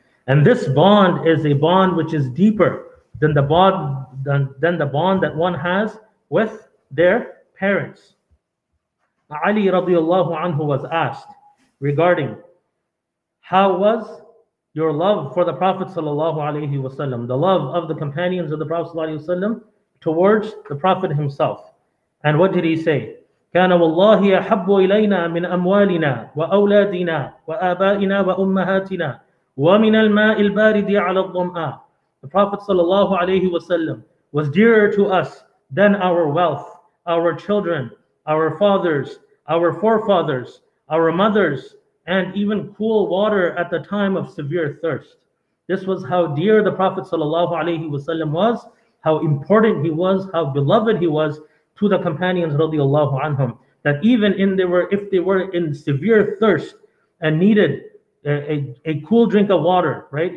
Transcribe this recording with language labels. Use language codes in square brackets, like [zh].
[en] And this bond is a bond which is deeper than the bond that one has with their parents. Ali radiallahu anhu was asked regarding how was your love for the Prophet sallallahu alayhi wasallam, the love of the companions of the Prophet sallallahu alayhi wasallam towards the Prophet himself. And what did he say? [ar] كان والله أحب إلينا من أموالنا وأولادنا وآبائنا وأمهاتنا ومن الماء البارد على الظمآ. [en] The Prophet sallallahu alayhi wasallam was dearer to us than our wealth, our children, our fathers, our forefathers, our mothers, and even cool water at the time of severe thirst. This was how dear the Prophet sallallahu alayhi wasallam was, how important he was, how beloved he was to the companions radiallahu anhum, that even if they were in severe thirst and needed a cool drink of water, right?